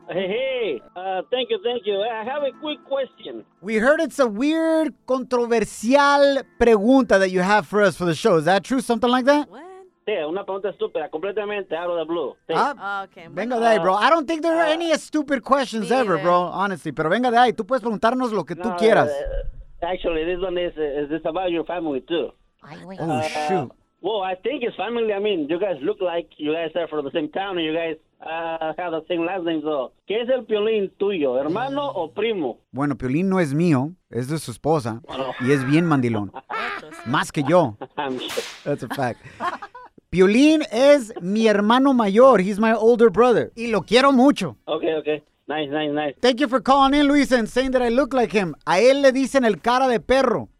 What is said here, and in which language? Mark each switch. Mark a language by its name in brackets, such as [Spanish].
[English] Hey. Thank you. I have a quick question. We heard it's a weird, controversial pregunta that you have for us for the show. Is that true? Something like that? What? [Spanish] Sí, una pregunta estúpida, completamente [English] out of the blue. [Spanish] Sí. [English] Okay. [Spanish] Venga de ahí, bro. [English] I don't think there are any stupid questions ever, bro, honestly. [Spanish] Pero venga de ahí, tú puedes preguntarnos lo que tú quieras. [English] Actually, this one is about your family, too. Oh, shoot. Well, I think it's family. I mean, you guys look like you guys are from the same town, and you guys have the same last name. [Spanish] So, ¿qué es el Piolín tuyo, hermano o primo? Bueno, Piolín no es mío, es de su esposa, y es bien mandilón. Más que yo. [English] I'm sure. That's a fact. [Spanish] Piolín es mi hermano mayor. [English] He's my older brother. [Spanish] Y lo quiero mucho. [English] Okay, okay. Nice. Thank you for calling in, Luis, and saying that I look like him. [Spanish] A él le dicen el cara de perro.